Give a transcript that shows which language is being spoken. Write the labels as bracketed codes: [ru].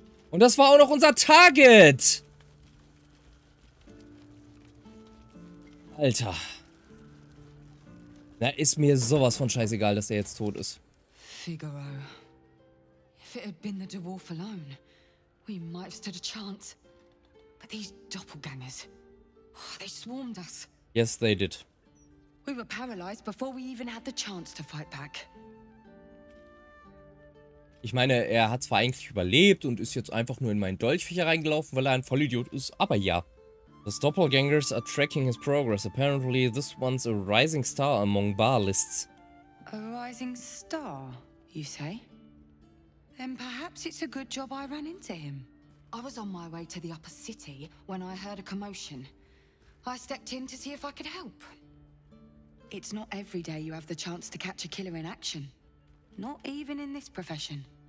[de] Und das war auch noch unser Target! Alter. Na, ist mir sowas von scheißegal, dass er jetzt tot ist. Figaro. [en] If it had been the dwarf alone, we might have stood a chance. But these doppelgangers, they swarmed us. Yes, they did. We were paralyzed before we even had the chance to fight back. [de] Ich meine, er hat zwar eigentlich überlebt und ist jetzt einfach nur in meinen Dolchfächer reingelaufen, weil er ein Vollidiot ist, aber ja. [en] The Doppelgangers are tracking his progress. Apparently this one's a rising star among bar lists. A rising star, you say? Then perhaps it's a good job I ran into him. I was on my way to the upper city when I heard a commotion. I stepped in to see if I could help. It's not every day you have the chance to catch a killer in action. Not even in this profession.